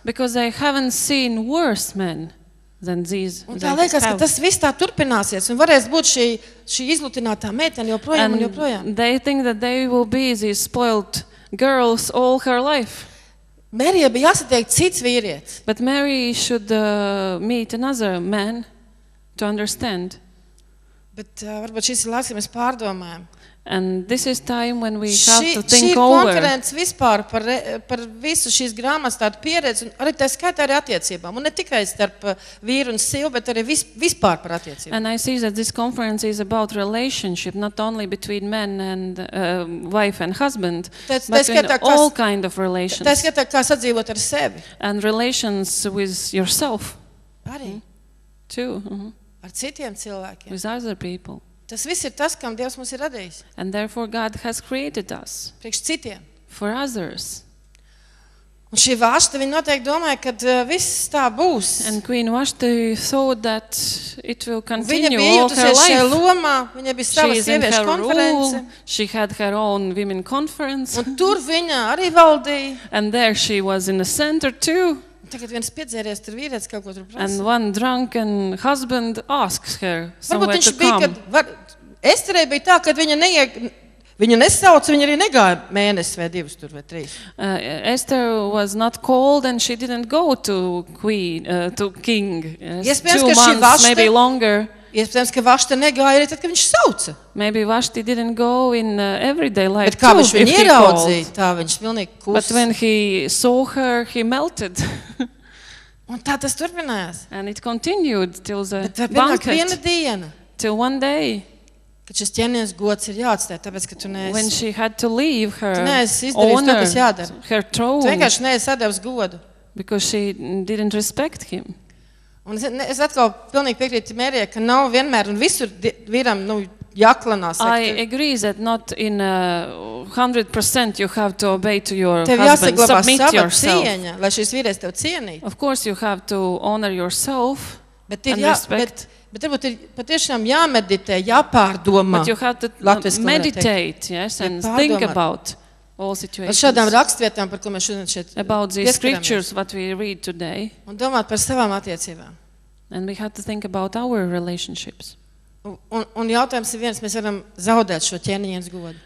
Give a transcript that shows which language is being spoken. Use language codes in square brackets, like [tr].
[en] Because they haven't seen worse men. Than these, [lv] un tā liekas, ka tas viss tā turpināsies, un varēs būt šī izlutinātā meitene joprojām un joprojām. [en] They think that they will be these spoiled girls all her life. [lv] Marija bija jāsatiek cits vīrietis. [en] But Mary should meet another man to understand. [lv] Bet varbūt šis ir laiks, ja mēs pārdomājam. [en] And this is time when we have to think over. [lv] Šī konferences vispār par visu šīs grāmatas tādu pieredzi, un arī tā skaitā arī attiecībām, un ne tikai starp vīru un sievu, bet arī vispār par attiecībām. [en] And I see that this conference is about relationship, not only between men and wife and husband, but in all kind of relations. [lv] Tā skaitā kā sadzīvot ar sevi. [en] And relations with yourself. [lv] Arī. [en] Too. [lv] Ar citiem cilvēkiem. [en] With other people. [lv] Tas viss ir tas, kam Dievs mums ir radījis. [en] And therefore God has created us. [lv] Priekš citiem. [en] For others. [lv] Un šī Vašta, viņa noteikti domāja, ka viss tā būs. [en] And Queen Vašta thought that it will continue [lv] viņa [en] all her life. [lv] Lomā, viņa bija sava sieviešu konference. [en] She had her own women conference. [lv] Un tur viņa arī valdīja. [en] And there she was in the center too. [lv] Tagad viens piedzēries tur vīrietis kaut ko tur prasa. [en] And one drunken husband asks her somewhere to come. [lv] Esterei bija tā, kad viņa nesauca, viņa arī negāja mēnesi vai divus tur vai trīs. [en] Esther was not called and she didn't go to queen, to king. Yes, two months, vašta, maybe longer. [lv] Iespējams, ka Vašta negāja arī tad, kad viņš sauca. [en] Maybe Vašti didn't go in everyday life too. [lv] Bet kā viņš viņu ieraudzīja, tā viņš pilnīgi kusa. [en] But when he saw her, he melted. [lv] Un tā tas turpinājās. [en] And it continued till the [lv] bet [en] banquet. [lv] Bet viena diena. [en] Till one day. [lv] Kad šis ķēniņa gods ir jāatstāj, tāpēc, ka tu neesi. [en] When she had to leave her honor. [lv] Tu neesi izdarījis to, kas jādara. [en] Her throne. [lv] Tu vienkārši neesi atdevis godu. [en] Because she didn't respect him. [lv] Un es atkal pilnīgi piekrītu Mērijai, ka nav vienmēr un visur vīram, nu, jāklanās. [en] I agree that not in 100% you have to obey to your [lv] tev [en] husband, submit yourself. [lv] Tev jāsaglabā sava cieņa, lai šis vīrēs tev cienītu. [en] Of course you have to honor yourself [lv] bet [en] and respect. [lv] Bet varbūt ir patiešām jāmeditē, jāpārdomā. [en] But you have to meditate, yes, and think about all situations. [lv] Ar šādām rakstvietām, par ko mēs šodien šeit [en] about these scriptures, what we read today. [lv] Un domāt par savām attiecībām. [en] And we have to think about our relationships. [lv] Un jautājums ir viens, mēs varam zaudēt šo ķēniņa godu.